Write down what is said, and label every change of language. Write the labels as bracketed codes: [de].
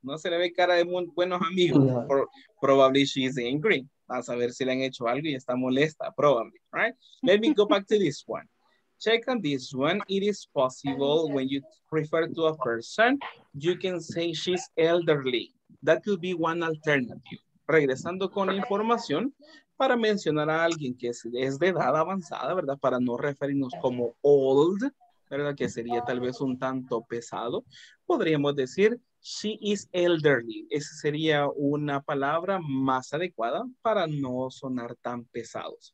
[es] No se le ve cara de buenos amigos. No. [en] Probably she is angry. [es] A saber si le han hecho algo y está molesta. [en] Probably, right? Let me go back to this one. Check on this one. It is possible when you refer to a person, you can say she's elderly. That could be one alternative. [es] Regresando con la información para mencionar a alguien que es de edad avanzada, ¿verdad? Para no referirnos como old, ¿verdad? Que sería tal vez un tanto pesado. Podríamos decir, [en] she is elderly. [es] Esa sería una palabra más adecuada para no sonar tan pesados.